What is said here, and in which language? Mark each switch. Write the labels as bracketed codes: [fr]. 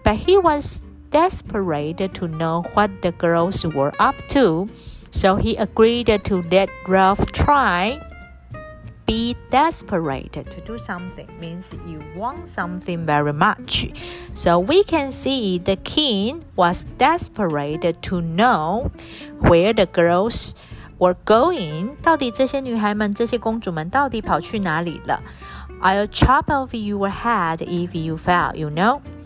[en] But he was desperate to know what the girls were up to, so he agreed to let Ralph try. Be desperate to do something means you want something very much. So we can see the king was desperate to know where the girls were going. [zh] 到底这些女孩们，这些公主们到底跑去哪里了？ [en] I'll chop off your head if you fail, you know.